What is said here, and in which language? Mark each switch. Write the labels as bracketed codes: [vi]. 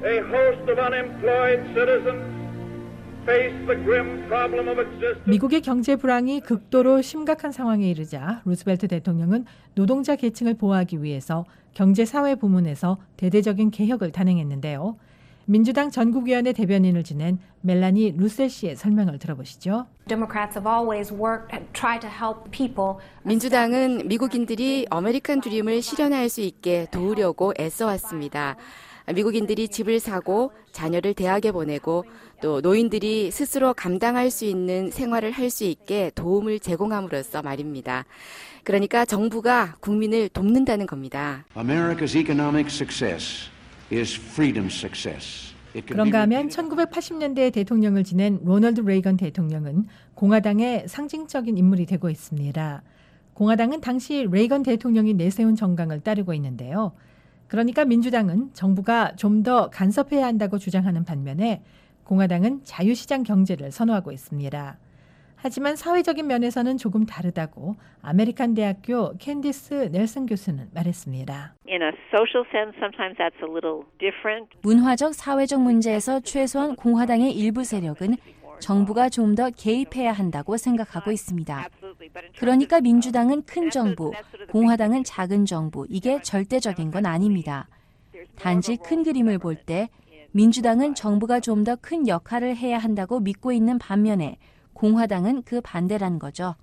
[en] A host of unemployed citizens face the grim problem of existence. [ko] 미국의 경제 불황이 극도로 심각한 상황에 이르자 루스벨트 대통령은 노동자 계층을 보호하기 위해서 경제사회 부문에서 대대적인 개혁을 단행했는데요. 민주당 전국위원회 대변인을 지낸 멜라니 루셀 씨의 설명을 들어보시죠. [en] Democrats have always worked and tried to help people. [ko] 민주당은 미국인들이 아메리칸 드림을 실현할 수 있게 도우려고 애써왔습니다. 미국인들이 집을 사고 자녀를 대학에 보내고 또 노인들이 스스로 감당할 수 있는 생활을 할 수 있게 도움을 제공함으로써 말입니다. 그러니까 정부가 국민을 돕는다는 겁니다. [en] America's economic success is freedom success. [ko] 그런가 하면 1980년대 대통령을 지낸 로널드 레이건 대통령은 공화당의 상징적인 인물이 되고 있습니다. 공화당은 당시 레이건 대통령이 내세운 정강을 따르고 있는데요. 그러니까 민주당은 정부가 좀 더 간섭해야 한다고 주장하는 반면에 공화당은 자유시장 경제를 선호하고 있습니다. 하지만 사회적인 면에서는 조금 다르다고 아메리칸 대학교 캔디스 넬슨 교수는 말했습니다. [en] In a social sense, sometimes that's a little different. [ko] 문화적, 사회적 문제에서 최소한 공화당의 일부 세력은 정부가 좀 더 개입해야 한다고 생각하고 있습니다. 그러니까 민주당은 큰 정부, 공화당은 작은 정부, 이게 절대적인 건 아닙니다. 단지 큰 그림을 볼 때 민주당은 정부가 좀 더 큰 역할을 해야 한다고 믿고 있는 반면에 공화당은 그 반대란 거죠.